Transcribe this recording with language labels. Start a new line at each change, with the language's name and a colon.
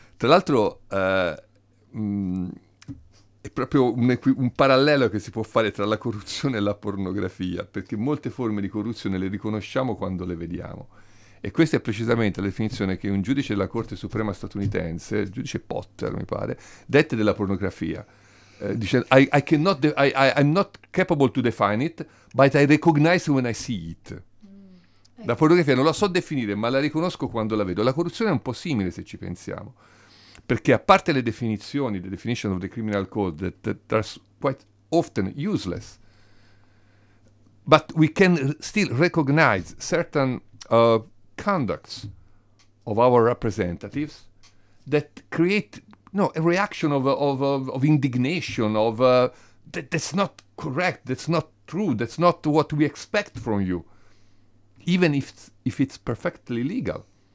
Italian: Tra l'altro, è proprio un parallelo che si può fare tra la corruzione e la pornografia, perché molte forme di corruzione le riconosciamo quando le vediamo. E questa è precisamente la definizione che un giudice della Corte Suprema statunitense, il giudice Potter, mi pare, dette della pornografia. Dicendo,
English: I'm not capable to define it, but I recognize when I see it.
Italian: La pornografia non la so definire, ma la riconosco quando la vedo. La corruzione è un po' simile, se ci pensiamo. Perché a parte le definizioni,
English: the definition of the criminal code, that are quite often useless, but we can still recognize certain conducts of our representatives that create a reaction of indignation, that's not correct, that's not true, that's not what we expect from you, even if it's perfectly legal.